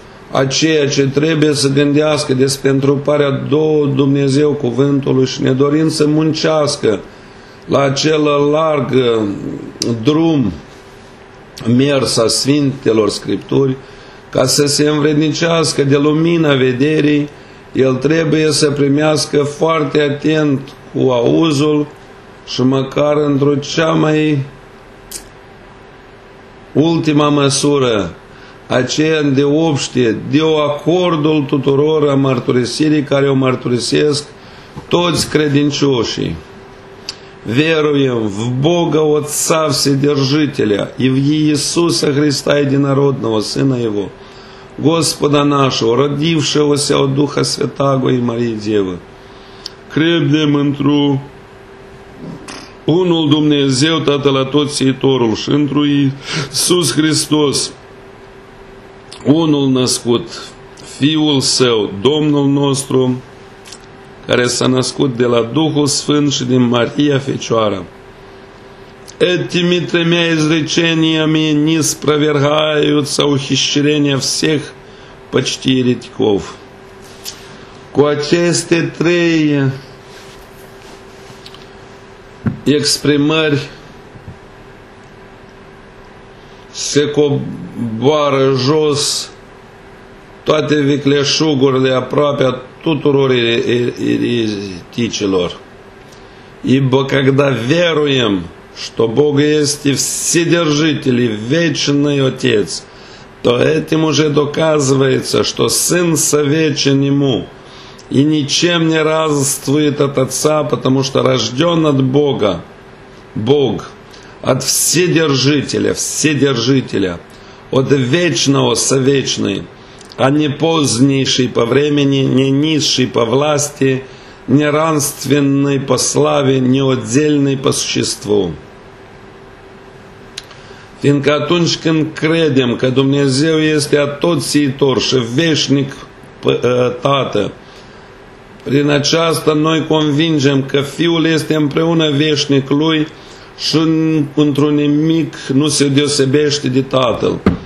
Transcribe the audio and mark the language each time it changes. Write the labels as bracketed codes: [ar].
[ro] А ceea ce trebuie să gândească despre întruparea două Dumnezeu cuvântului și ne dorim să muncească la acel larg drum mers a Sfintelor Scripturi, ca să se învrednicească de lumina vederii, el trebuie să primească foarte atent cu auzul și măcar într-o cea mai ultima măsură aceea de obște, de acordul tuturor a mărturisirii care o mărturisesc toți credincioșii. [ru] Веруем в Бога Отца Вседержителя и в Иисуса Христа Единородного Сына Его, Господа нашего, родившегося от Духа Святаго и Марии Девы. [ro] Credem într-o unul Dumnezeu, Tatăl Atotțiitorul, și într-o Iisus Hristos, unul născut, Fiul Său, Domnul nostru, care s-a născut de la Duhul Sfânt și din Maria Fecioară. [ru] Этими тремя изречениями не спровергаются ухищрения всех почти еретиков. [ro] Cu aceste trei exprimări se coboară jos toate vicleșugurile aproape a tuturor ereticilor. [ru] Ибо когда веруем, что Бог есть Вседержитель и Вечный Отец, то этим уже доказывается, что Сын совечен Ему и ничем не разствует от Отца, потому что рожден от Бога, Бог, от Вседержителя, Вседержителя, от Вечного Совечный, а не позднейший по времени, не низший по власти, не ранственный по славе, не отдельный по существу. [ro] Fiindcă atunci când credem că Dumnezeu este atotțiitor și veșnic Tată, prin aceasta noi convingem că Fiul este împreună veșnic Lui și într-un nimic nu se deosebește de Tatăl.